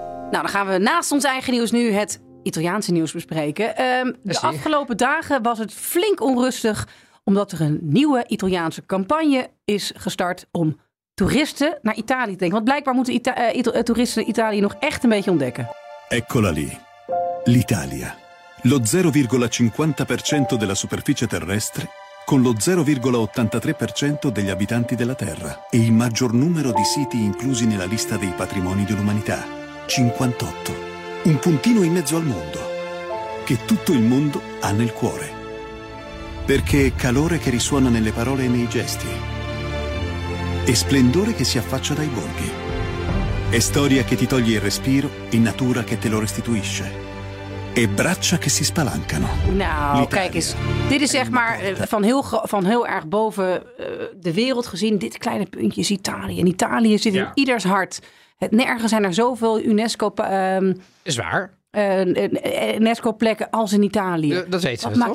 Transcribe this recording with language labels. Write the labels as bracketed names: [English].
[Dutch] Nou, dan gaan we naast ons eigen nieuws nu het Italiaanse nieuws bespreken. Afgelopen dagen was het flink onrustig, omdat er een nieuwe Italiaanse campagne is gestart om toeristen naar Italië denken. Want blijkbaar moeten toeristen Italië nog echt een beetje ontdekken. [Italian] Eccola lì. L'Italia. Lo 0,50% della superficie terrestre con lo 0,83% degli abitanti della Terra e il maggior numero di siti inclusi nella lista dei patrimoni dell'umanità. 58. Un puntino in mezzo al mondo che tutto il mondo ha nel cuore. Perché è calore che risuona nelle parole e nei gesti. E splendore che si affaccia dai borghi. È storia che ti toglie il respiro e natura che te lo restituisce. E braccia che si spalancano. [Dutch] Nou, L'Italia. Kijk eens. Dit is zeg maar van heel erg boven de wereld gezien. Dit kleine puntje is Italië. En Italië zit in ieders hart. Nergens zijn er zoveel UNESCO... Is waar. UNESCO-plekken als in Italië. Dat weten ze dat